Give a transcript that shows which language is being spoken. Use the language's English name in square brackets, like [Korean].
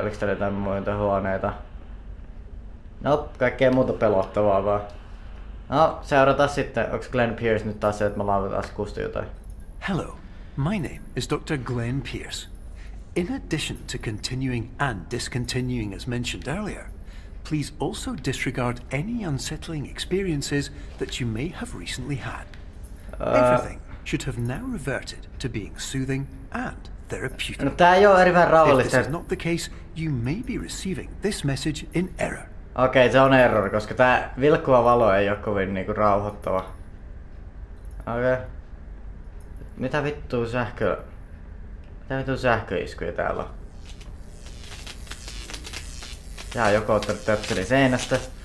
[Finnish] Oliks täällä jotain muita huoneita? Nope, kaikkea muuta pelottavaa vaan. No, seurataan sitten. Onks Glenn Pierce nyt taas se, että mä laitan taas kustu jotain? [English] Hello, my name is Dr. Glenn Pierce. In addition to continuing and discontinuing as mentioned earlier, please also disregard any unsettling experiences that you may have recently had. Everything should have now reverted to being soothing and therapeutic. [Finnish] No, tää ei oo erivään rauhallista. [English] If this is not the case, you may be receiving this message in error. [Finnish] Okei, se on error, koska tää vilkkuva valo ei oo kovin niinku rauhoittava. Okei. Mitä vittua sähkö... Mitä vittua sähköiskuja täällä on? Tää on joku ottanut töpseli seinästä.